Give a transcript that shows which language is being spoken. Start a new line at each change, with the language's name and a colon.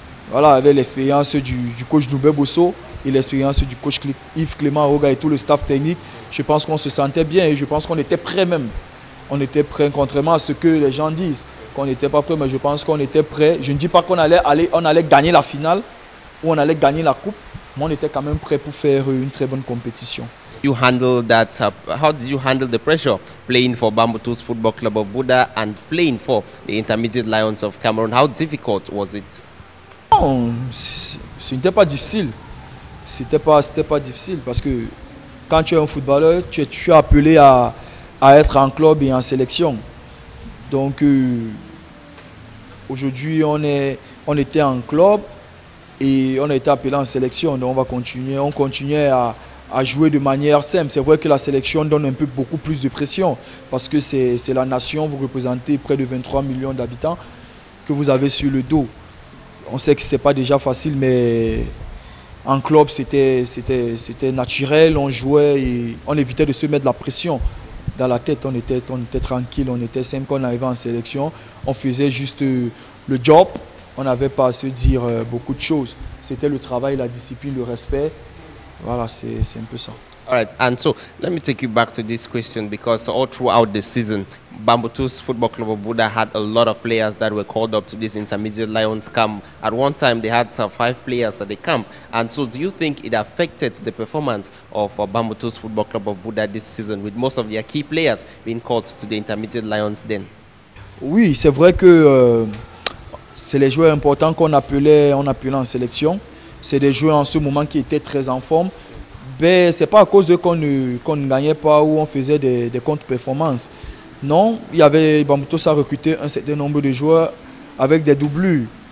French: Voilà, avec l'expérience du coach Ndoumbé Bosso et l'expérience du coach Yves Clément Aroga et tout le staff technique, je pense qu'on se sentait bien et je pense qu'on était prêt même. On était prêt, contrairement à ce que les gens disent, qu'on n'était pas prêt, mais je pense qu'on était prêt. Je ne dis pas qu'on allait gagner la finale ou on allait gagner la coupe, mais on était quand même prêt pour faire une très bonne compétition.
English: You handle that. How did you handle the pressure playing for Bambuto's Football Club of Buda and playing for the Intermediate Lions of Cameroon? How difficult was it?
French: Non, ce n'était pas difficile. C'était pas difficile parce que quand tu es un footballeur, tu es appelé à être en club et en sélection. Donc aujourd'hui, on était en club et on a été appelé en sélection. Donc on continuait à jouer de manière simple. C'est vrai que la sélection donne un peu beaucoup plus de pression parce que c'est la nation, vous représentez près de 23 millions d'habitants que vous avez sur le dos. On sait que ce n'est pas déjà facile, mais en club, c'était naturel, on jouait et on évitait de se mettre la pression dans la tête. On était tranquille, on était simple. Quand on arrivait en sélection, on faisait juste le job, on n'avait pas à se dire beaucoup de choses. C'était le travail, la discipline, le respect. Voilà, c'est un peu ça.
English: All right, and so let me take you back to this question because all throughout the season, Bambuto's Football Club of Buda had a lot of players that were called up to this Intermediate Lions camp. At one time, they had five players at the camp. And so do you think it affected the performance of Bambuto's Football Club of Buda this season with most of their key players being called to the Intermediate Lions then?
French: Oui, c'est vrai que c'est les joueurs importants qu'on appelait en sélection. C'est des joueurs en ce moment qui étaient très en forme. Mais ce n'est pas à cause d'eux qu'on ne gagnait pas ou on faisait des contre-performances. Non, il y avait Bambuto, ça a recruté un certain nombre de joueurs avec des doublures.